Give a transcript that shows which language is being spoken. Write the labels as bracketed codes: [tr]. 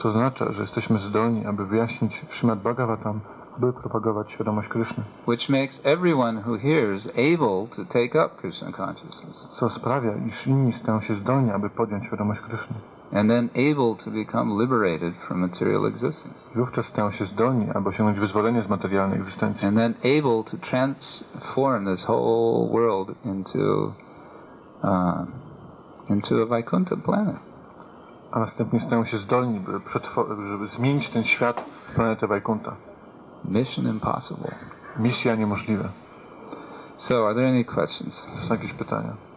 [pl] To oznacza, że jesteśmy zdolni, aby wyjaśnić Srimad Bhagavatam, aby propagować świadomość Krishna. [en] Which makes everyone who hears able to take up Krishna consciousness. [pl] Co sprawia, iż inni stają się zdolni, aby podjąć świadomość Krishna. [en] And then able to become liberated from material existence. [pl] Wówczas stają się zdolni, aby osiągnąć wyzwolenie z materialnej egzystencji. [en] And then able to transform this whole world into a Vaikuntha planet. [pl] A następnie stają się zdolni, żeby zmienić ten świat w planetę Vaikuntha. [en] Mission impossible. [pl] Misja niemożliwa. [en] So, are there any questions? [pl] Są jakieś pytania?